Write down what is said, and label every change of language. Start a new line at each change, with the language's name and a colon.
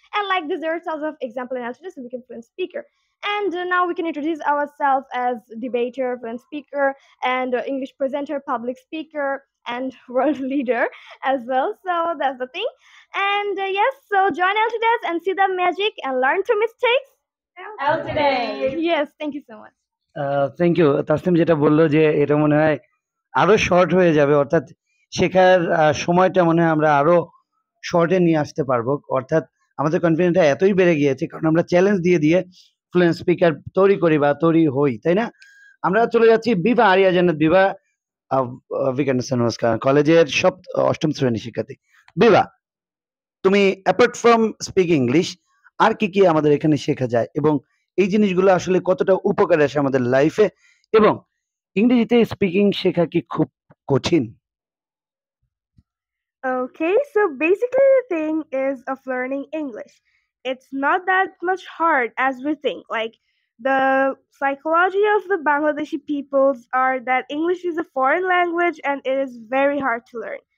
English: And like this, there are thousands of examples in LJS, so we can fluent speaker. And now we can introduce ourselves as debater, fluent speaker, and English presenter, public speaker, and world leader as well. So that's the thing. And yes, so join LJS and see the magic and learn to mistakes. LJS. Yes, thank you so much.
Bangla: Thank you Taslim, যেটা বললো যে এটা মনে হয় আরো short হয়ে যাবে, অর্থাৎ শেখার সময়টা মনে হয় আমরা আরো শর্টে নিয়ে আসতে পারবো, অর্থাৎ আমাদের কনফিডেন্সটা এতই বেড়ে গিয়েছে কারণ আমরা চ্যালেঞ্জ দিয়ে দিয়ে ফ্লুয়েন্ট স্পিকার তৈরি করি বা তৈরি হই, তাই না? আমরা চলে যাচ্ছি বিভা আরিয়া জান্নাত। বিভা বিকানসান, নমস্কার। কলেজের সপ্ত অষ্টম শ্রেণী শিক্ষার্থী বিভা, তুমি
English: apart from speak English
Bangla: আর কি কি আমাদের এখানে শেখা যায় এবং এই জিনিসগুলো আসলে কতটা উপকার আসে আমাদের লাইফে, এবং ইংরেজিতে স্পিকিং শেখা কি খুব কঠিন?
English: Okay, so basically the thing is of learning English. It's not that much hard as we think. Like the psychology of the Bangladeshi peoples are that English is a foreign language and it is very hard to learn.